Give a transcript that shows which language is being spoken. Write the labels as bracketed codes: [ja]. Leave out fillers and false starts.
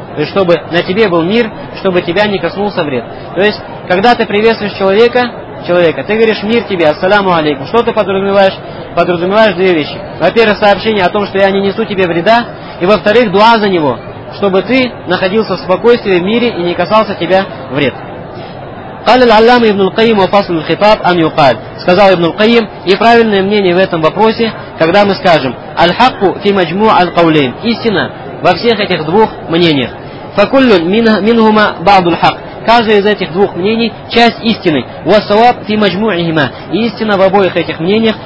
[ru] То есть чтобы на тебе был мир, чтобы тебя не коснулся вред. То есть когда ты приветствуешь человека, ты говоришь «мир тебе, ассаляму алейкум», что ты подразумеваешь? Подразумеваешь две вещи. Во-первых, сообщение о том, что я не несу тебе вреда. И во-вторых, дуа за него, чтобы ты находился в спокойствии, в мире и не касался тебя вред. [ar] قال العلامة ابن القيم وفصل الخطاب أن يقال. [ru] Сказал ابن القيم, и правильное мнение в этом вопросе, когда мы скажем [ar] الحق في مجموع القولين, [ru] истина во всех этих двух мнениях. [ar] فكل منهما بعض الحق, [ru] каждое из этих двух мнений – часть истины. «Вассаваб фи маджмуихима» – истина в обоих этих мнениях.